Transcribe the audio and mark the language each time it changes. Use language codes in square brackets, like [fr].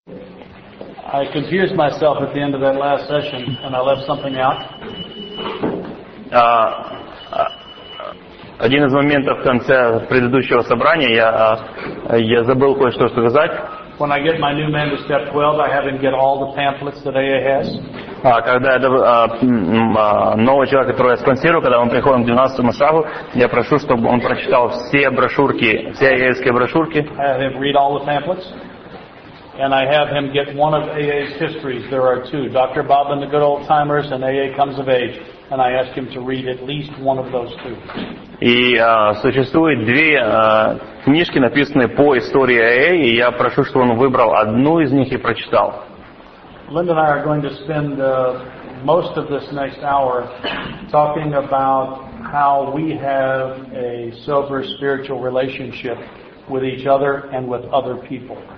[en] I confused myself at the end of that last session, and I left something out. [ru] Один из моментов в конце предыдущего собрания я забыл кое-что сказать. [en] When I get my new man to step 12, I have him get all the pamphlets that AA has. [ru] Когда это новый человек, которого я спонсирую, когда он приходит к 12-му шагу, я прошу, чтобы он прочитал все брошюрки, все AA-ские брошюрки. [en] I have him read all the pamphlets. And I have him get one of AA's histories. There are two. Dr. Bob and the Good Old Timers and AA Comes of Age. And I ask him to read at least one of those two. [ru] И существует две книжки, написанные по истории AA, и я прошу, чтобы он выбрал одну из них и прочитал. [en] Linda and I are going to spend most of this next hour talking about how we have a sober spiritual relationship with each other and with other people.